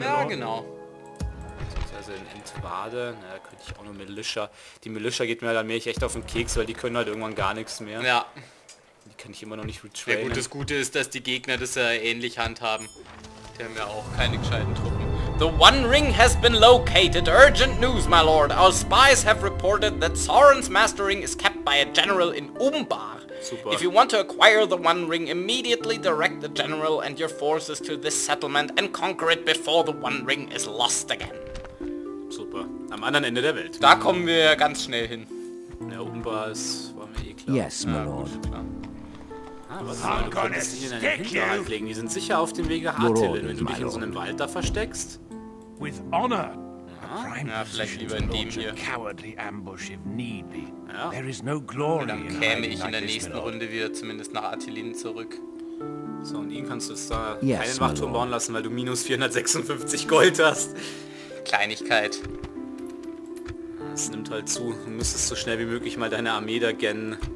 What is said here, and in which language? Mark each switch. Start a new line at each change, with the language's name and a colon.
German: Ja, genau. Also in Entwade, na, da könnte ich auch nur Militia. Die Militia geht mir dann echt auf den Keks, weil die können halt irgendwann gar nichts mehr. Ja. Die kann ich immer noch nicht retrainen. Ja gut, das Gute ist, dass die Gegner das ja ähnlich handhaben. Die haben ja auch keine gescheiten Truppen.
English: The One Ring has been located. Urgent news, my lord. Our spies have reported that Sauron's mastering is kept by a general in Umbar.
German: Super.
English: If you want to acquire the One Ring, immediately direct the general and your forces to this settlement and conquer it before the One Ring is lost again.
German: Super. Am anderen Ende der Welt. Da kommen wir ganz schnell hin. Ja, Umbar ist, war mir eh klar.
English: Yes, my lord.
German: Ah, was soll das in deinen Hinterhalt legen? Die sind sicher auf dem Wege Hartillen, wenn du dich in so einem Wald da versteckst.
English: With honor.
German: Ja, vielleicht lieber in dem hier.
English: Cowardly ambush if need be. There is no glory.
German: Dann käme ich in der nächsten Runde wieder zumindest nach Attilin zurück. So, und ihn kannst du es da keinen Wachturm bauen lassen, weil du minus 456 Gold hast. Kleinigkeit. Es nimmt halt zu, du müsstest so schnell wie möglich mal deine Armee da gennen.